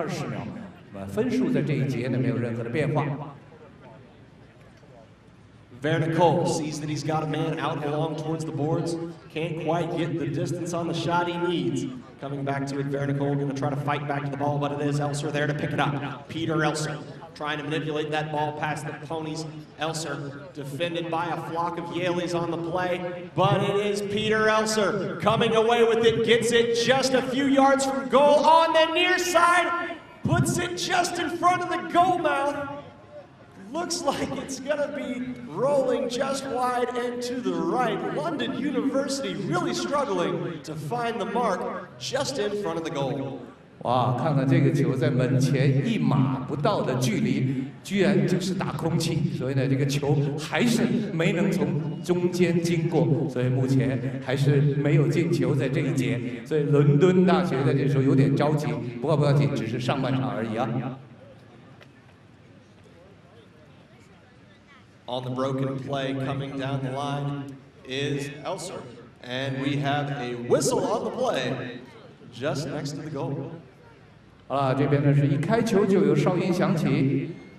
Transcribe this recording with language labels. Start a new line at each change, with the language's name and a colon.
Chinese: 这个球本来想利用一个球杆的变化，但是似乎这个掌握角度呢出了一点失误，所以这球直接打出了底线，由防守方获得了一个防守的底线球。目前剩下上半场的时间还有1分20秒，分数在这一节呢没有任何的变化。
English: Vernicole sees that he's got a man out along towards the boards. Can't quite get the distance on the shot he needs. Coming back to it, Vernicole going to try to fight back to the ball, but it is Elser there to pick it up. Peter Elser trying to manipulate that ball past the ponies. Elser defended by a flock of Yaleys on the play, but it is Peter Elser coming away with it, gets it just a few yards from goal on the near side, puts it just in front of the goal mouth. Looks like it's gonna be rolling just wide and to the right. London University really struggling to find the mark just in front of the goal.
Chinese: Wow, 看看这个球在门前一码不到的距离，居然就是打空气，所以呢，这个球还是没能从中间经过，所以目前还是没有进球在这一节。所以伦敦大学在这时候有点着急，不过不要紧，只是上半场而已啊。
English: On the broken play coming down the line is Elser. And we have a whistle on the play just next to the goal.
Chinese: 好了，这边呢是一开球就有哨音响起。